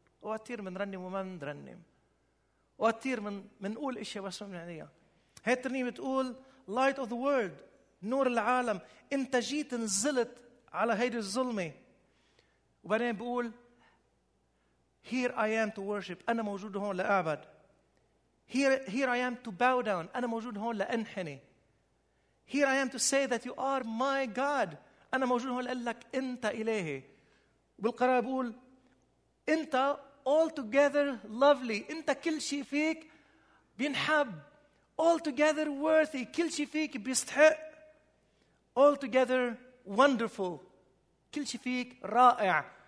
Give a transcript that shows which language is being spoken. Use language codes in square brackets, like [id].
[ar] وكثير منرنم وما منرنم، وكثير منقول إشي بس ما بنعنيها. هاي الترنيمة بتقول [en] Light of the world، [ar] نور العالم، انت جيت نزلت على هيدي الظلمة. وبعدين بقول [en] Here I am to worship، [ar] أنا موجود هون لأعبد. [en] Here I am to bow down، [ar] أنا موجود هون لأنحني. [en] Here I am to say that you are my God، [ar] أنا موجود هون لألك أنت إلهي. بالقراءة بقول أنت [en] altogether lovely، [ar] أنت كل شيء فيك بينحب. [en] Altogether worthy، [ar] كل شيء فيك بيستحق. [en] Altogether wonderful، [ar] كل شيء فيك رائع.